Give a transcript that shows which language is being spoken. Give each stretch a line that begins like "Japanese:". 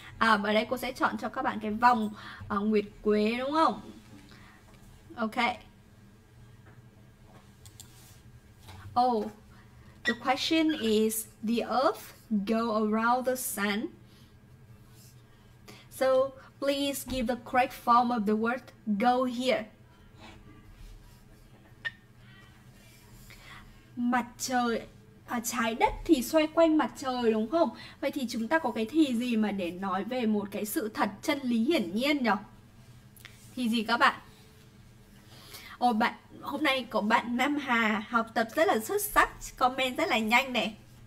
Vietnamese: Ở đây cô sẽ chọn cho các bạn cái vòng nguyệt quế, đúng không? Ok.
English: Oh, the question is, the earth go around the sun. So please give the correct form of the word go here.
Vietnamese: Mặt trời, trái đất thì xoay quanh mặt trời, đúng không? Vậy thì chúng ta có cái thì gì mà để nói về một cái sự thật chân lý hiển nhiên nhỉ? Thì gì các bạn? Hôm nay có bạn Nam Hà học tập rất là xuất sắc, comment rất là nhanh này.